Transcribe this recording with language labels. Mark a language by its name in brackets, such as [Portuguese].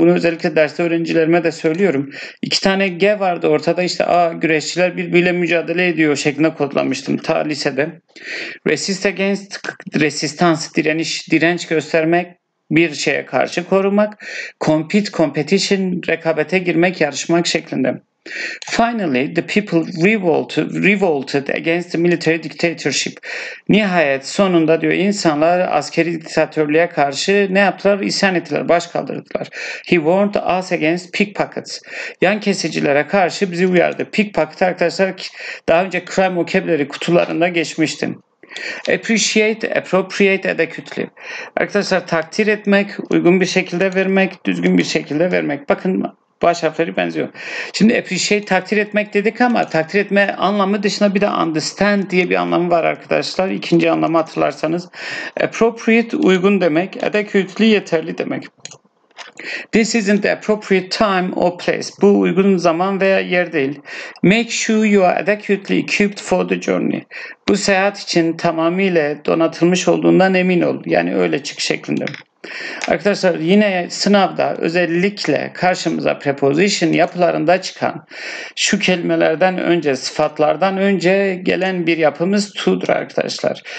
[Turkish] Bunu özellikle derste öğrencilerime de söylüyorum. İki tane G vardı ortada. İşte A, güreşçiler birbiriyle mücadele ediyor şeklinde kodlamıştım ta lisede. Resist against, resistance, direniş, direnç göstermek, bir şeye karşı korumak. Compete, competition, rekabete girmek, yarışmak şeklinde. [English] Finally, the people revolted against the military dictatorship. [Turkish] Nihayet sonunda diyor insanlar askeri diktatörlüğe karşı ne yaptılar? İsyan ettiler, baş kaldırdılar. [English] He warned us against pickpockets. [Turkish] Yan kesicilere karşı bizi uyardı. Pickpocket arkadaşlar daha önce crime vocabulary kutularında geçmiştim. Appreciate, appropriate adequately. Arkadaşlar takdir etmek, uygun bir şekilde vermek, düzgün bir şekilde vermek. Bakın baş harfleri benziyor. Şimdi appreciate, takdir etmek dedik ama takdir etme anlamı dışında bir de understand diye bir anlamı var arkadaşlar. İkinci anlamı hatırlarsanız. Appropriate, uygun demek. Adequately, yeterli demek. [English] This isn't the appropriate time or place. [Turkish] Bu uygun zaman veya yer değil. [English] Make sure you are adequately equipped for the journey. [Turkish] Bu seyahat için tamamıyla donatılmış olduğundan emin ol. Yani öyle çık şeklinde. Arkadaşlar yine sınavda özellikle karşımıza preposition yapılarında çıkan şu kelimelerden önce, sıfatlardan önce gelen bir yapımız to'dur arkadaşlar.